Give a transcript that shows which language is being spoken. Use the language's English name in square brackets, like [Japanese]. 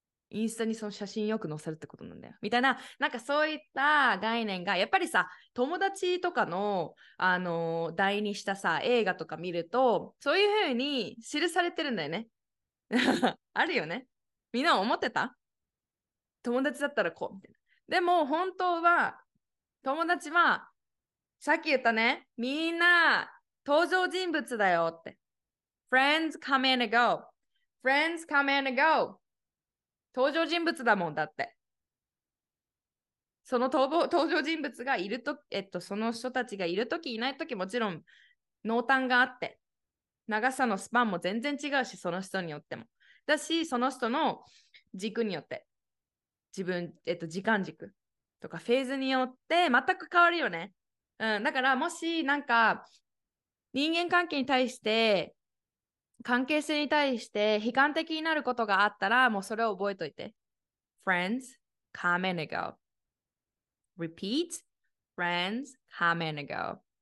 [Japanese] インスタにその写真よく載せるってことなんだよ。みたいな、なんかそういった概念が、やっぱりさ、友達とかの、題にしたさ、映画とか見ると、そういうふうに記されてるんだよね。あるよね。みんな思ってた？友達だったらこう、みたいな。でも本当は友達はさっき言ったね、みんな登場人物だよって。 [English] Friends come and go、 Friends come and go、 [Japanese] 登場人物だもんだって。その登場人物がいると、その人たちがいるときいないとき、もちろん濃淡があって長さのスパンも全然違うし、その人によってもだし、その人の軸によって自分、時間軸とかフェーズによって全く変わるよね。うん、だからもしなんか人間関係に対して、関係性に対して悲観的になることがあったら、もうそれを覚えといて。 [English] Friends, come and go. Repeat, friends, come and go.